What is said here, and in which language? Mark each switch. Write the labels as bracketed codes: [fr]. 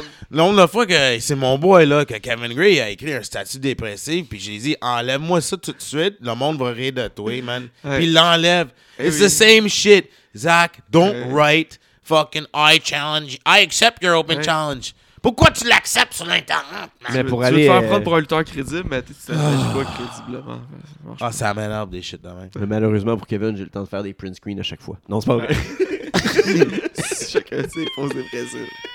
[fr] Le nombre de fois que c'est mon boy, là, que Kevin Gray a écrit un statut dépressif, puis j'ai dit, enlève-moi ça tout de suite, le monde va rire de toi, man. Puis il l'enlève. [en] It's the same shit. Zach, don't write fucking I challenge. I accept your open challenge. [fr] Pourquoi tu l'acceptes sur l'internet? Mais pour tu aller, veux te faire prendre pour un lutteur crédible, mais tu ne t'agis pas crédiblement. Ah, ça m'énerve des shit demain. Mais malheureusement pour Kevin, j'ai le temps de faire des print screens à chaque fois. Non, c'est pas vrai. Chacun sait pour ses pressions.